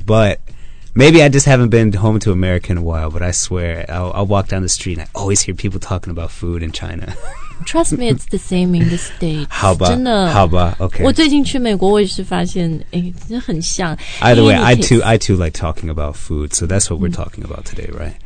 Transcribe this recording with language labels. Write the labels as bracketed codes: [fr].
[en] But maybe I just haven't been home to America in a while. But I swear, I'll walk down the street and I always hear people talking about food in China. Trust me, it's the same in the States. [zh] 好吧，真的，好吧 ，OK。我最近去美国，我也是发现，哎，真的很像。 [en] Either way, I too like talking about food, so that's what we're talking about today, right?